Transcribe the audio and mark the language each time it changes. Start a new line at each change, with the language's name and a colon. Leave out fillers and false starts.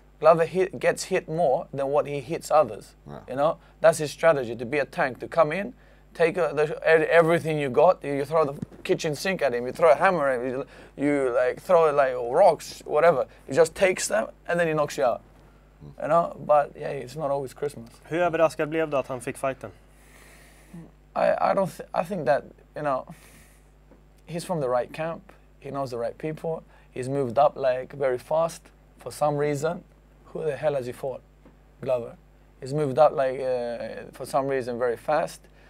English: Glover gets hit more than what he hits others. Yeah. You know, that's his strategy, to be a tank, to come in, take everything you got. You throw the kitchen sink at him. You throw a hammer at him. You like throw like rocks, whatever. He just takes them and then he knocks you out. You know, but yeah, it's not always Christmas.
Swedish: Hur överraskad blev du att han fick fighten?
English: I think that, you know, he's from the right camp. He knows the right people. He's moved up like very fast for some reason. Who the hell has he fought, Glover? He's moved up like for some reason very fast.